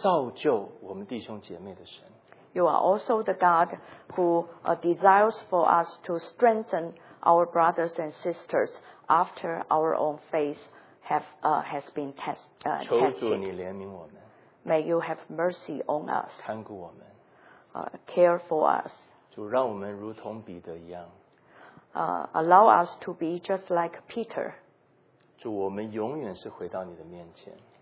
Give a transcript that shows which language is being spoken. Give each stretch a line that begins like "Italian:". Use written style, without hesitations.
Chinese: 你也是让我们因为借着信心经历了你之后，能够造就我们弟兄姐妹的神。
English: You are also the God who desires for us to strengthen our brothers and sisters after our own faith has been tested.
Chinese: 求主你怜悯我们,
English: may you have mercy on us.
Chinese: 看顾我们,
English: care for us.
Chinese: 主让我们如同彼得一样,
English: allow us to be just like Peter.
Chinese: 主我们永远是回到你的面前,